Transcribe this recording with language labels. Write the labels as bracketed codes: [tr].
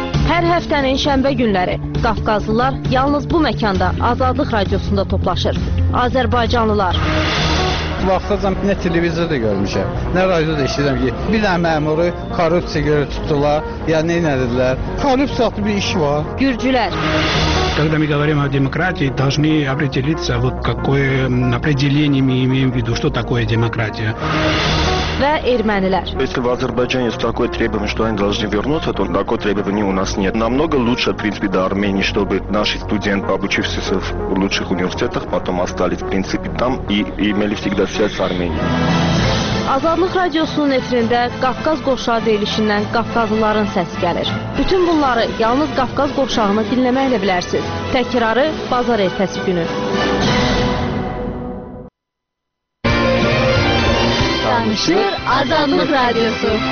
[az] Hər həftənin şənbə günləri Qafqazlılar yalnız bu məkanda Azadlıq Radiosunda toplaşır. Azərbaycanlılar. Vaxtacam nə televizorda görmüşəm, nə radioda işləyirəm ki, bir dənə məmuru korrupsiya görə tutdular, ya nə edirlər? Korrupsiya bir iş var. Gürcülər. [ru] Когда мы говорим о демократии, должны определиться, вот какое определение мы имеем в виду, что такое демократия. [az] Ve ermeniler. [ru] Если в Азербайджане есть такое требование, что они должны вернуться, то такое требование у нас нет. Намного лучше, в принципе, до Армении, чтобы наши студенты, обучившиеся в лучших университетах, потом остались, в принципе, там и имели всегда связь с Арменией. [az] Azadlıq Radiosunun efirində Qafqaz Qovşağı deyilişindən Qafqazlıların səsi gəlir. Bütün bunları yalnız Qafqaz Qovşağını dinləməklə bilərsiniz. Təkrarı bazar ertəsi günü. Danışır Azadlıq Radiosu.